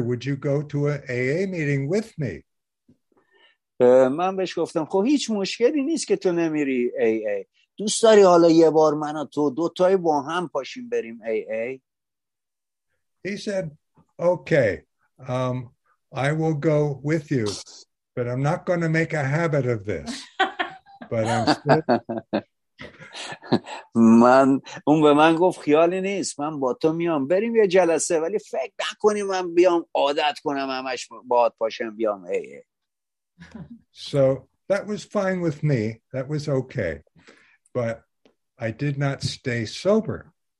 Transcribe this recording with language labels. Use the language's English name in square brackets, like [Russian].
[English] Would you go to an AA meeting with me? [Persian] من بهش گفتم خب هیچ مشکلی نیست که تو نمیری AA. دوست داری حالا یه بار من و تو دوتای با هم پاشیم بریم AA؟ [English] He said, okay, I will go with you, but I'm not going to make a habit of this. But [Persian] من اون به من گفت خیالی نیست، من با تو میام بریم یه جلسه، ولی فکر نکنی من بیام عادت کنم همش باهات پاشم بیام AA. [English] So that was fine with me, that was okay, but I did not stay sober.